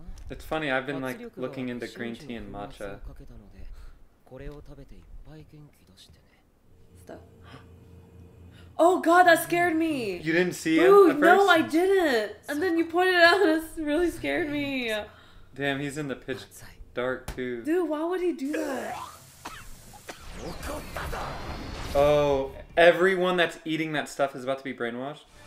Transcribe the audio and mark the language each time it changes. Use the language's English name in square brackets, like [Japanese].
[English] It's funny, I've been like looking into green tea and matcha. [Japanese] これを食べていっぱい元気出してね。 [English] Oh god, that scared me! You didn't see it at first? No, I didn't! And then you pointed it out and it really scared me. Damn, he's in the pitch dark too. Dude, why would he do that? Oh, everyone that's eating that stuff is about to be brainwashed?